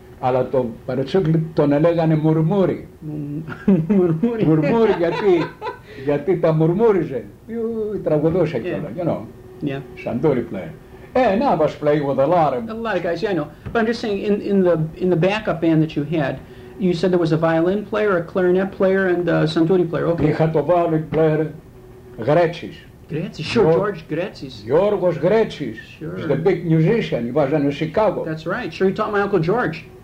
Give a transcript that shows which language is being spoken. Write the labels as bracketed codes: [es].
[el] Αλλά το παρετσούκλι τον έλεγανε μουρμούρι. Μουρμούρι. Μουρμούρι γιατί, γιατί τα μουρμούριζε. Τραγουδούσε κιόλα, yeah. [en] You know. Yeah. Shanduri player. Hey, now I was playing with a lot of... A lot of guys, yeah, I know. But I'm just saying, in the backup band that you had, you said there was a violin player, a clarinet player, and a Shanduri player, okay. [el] Είχα το [en] violin player, [el] Γρέτσις. [en] Γρέτσις, sure, George Γρέτσις. [el] Γιώργος Γρέτσις. [en] Sure. He's the big musician, he was in Chicago. That's right, sure, you taught my Uncle George.